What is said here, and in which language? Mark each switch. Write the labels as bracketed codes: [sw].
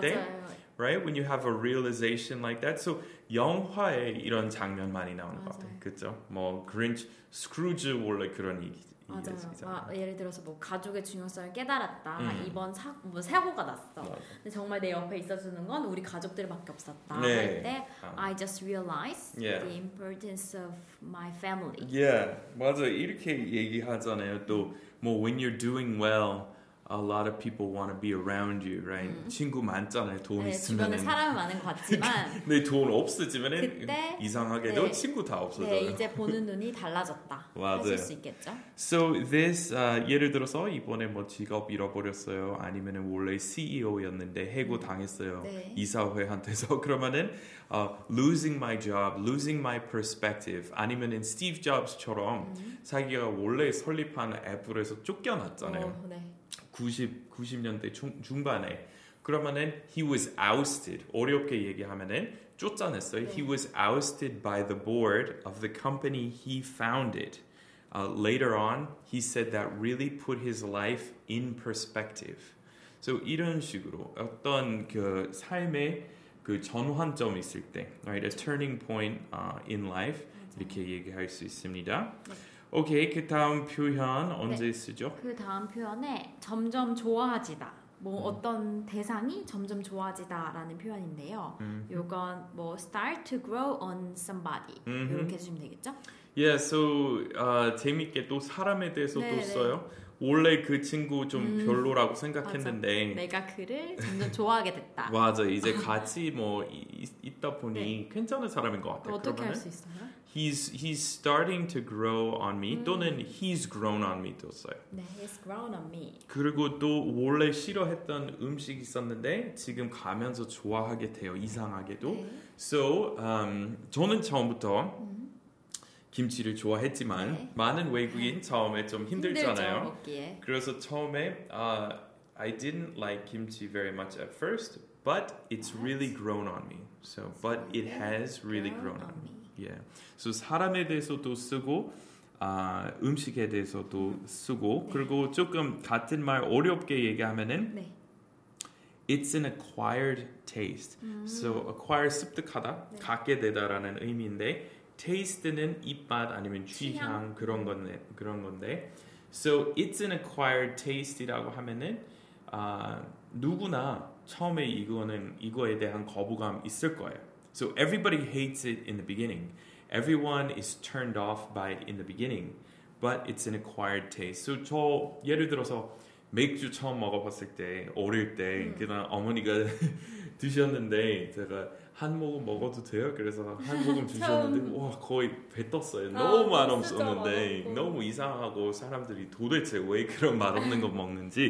[en] 때 Right? When you have a realization like that. [ko] So, 영화에 이런 장면 많이 나오는 맞아요. 것 같아요. 그쵸? 뭐, Grinch, Scrooge 원래 그런 얘기잖아요. 예를 들어서 뭐 가족의 중요성을 깨달았다. 이번 뭐 사고가 났어. 근데 정말 내 옆에 있어주는 건 우리 가족들밖에 없었다. 네. 할 때 [en] I just realized the importance of my family. [ko] Yeah, 맞아요. 이렇게 얘기하잖아요. [en] 또 뭐, when you're doing well, A lot of people want to be around you, right? [ko] 친구 많잖아요. 돈 네, 있으면 주변에 사람 많은 것 같지만 내 돈 없어지면 그때 이상하게도 네, 친구 다 없어져요. 네, 이제 보는 눈이 달라졌다. 맞아요. 하실 수 있겠죠? So this 예를 들어서 이번에 뭐 직업 잃어버렸어요. 아니면은 원래 CEO였는데 해고 당했어요. 네. 이사회한테서 그러면은 [en] losing my job, losing my perspective. [ko] 아니면은 스티브 잡스처럼 자기가 원래 설립한 애플에서 쫓겨났잖아요. 네. 90년대 중반에 그러면은 [en] he was ousted [ko] 어렵게 얘기하면은 쫓아냈어요 네. [en] he was ousted by the board of the company he founded later on he said that really put his life in perspective so [ko] 이런 식으로 어떤 그 삶의 그 전환점 있을 때 [en] right a turning point in life [ko] 맞아요. 이렇게 얘기할 수 있습니다 네. 오케이, 그 다음 표현 언제 네. 쓰죠? 그 다음 표현에 점점 좋아지다, 뭐 어떤 대상이 점점 좋아지다 라는 표현인데요. 이건 뭐 [en] start to grow on somebody [ko] 이렇게 쓰시면 되겠죠? Yeah, so 재밌게 또 사람에 대해서 또 써요. 원래 그 친구 좀 별로라고 생각했는데 맞아. 내가 그를 점점 좋아하게 됐다. 맞아, 이제 같이 뭐 있다 보니 네. 괜찮은 사람인 것 같아요. 어떻게 할 수 있어요? [en] He's starting to grow on me. [ko] 또는 [en] he's grown on me [ko] 또 써요. [en] 네, he's grown on me. [ko] 그리고 또 원래 싫어했던 음식 있었는데 지금 가면서 좋아하게 돼요. 이상하게도. 네. So 저는 처음부터 김치를 좋아했지만 네. 많은 외국인 처음에 좀 힘들잖아요. 먹기에. 그래서 처음에 [en] I didn't like kimchi very much at first, but it's really grown on me. So, but it has really grown on me. Yeah. [ko] So 사람에 대해서도 쓰고 음식에 대해서도 쓰고 네. 그리고 조금 같은 말 어렵게 얘기하면은 네. [en] It's an acquired taste. So acquire 습득하다 [ko] 네. 갖게 되다라는 의미인데 taste는 입맛 아니면 취향, 그런 건데 So it's an acquired taste이라고 하면은 누구나 처음에 이거에 대한 거부감 있을 거예요 [en] So everybody hates it in the beginning. Everyone is turned off by it in the beginning. But it's an acquired taste. [ko] So 저 예를 들어서 맥주 처음 먹어봤을 때 어릴 때 그냥 어머니가 드셨는데 제가 한 모금 먹어도 돼요? 그래서 한 모금 주셨는데 와 거의 뱉었어요. 너무 맛없었는데 너무 이상하고 사람들이 도대체 왜 그런 맛없는 거 먹는지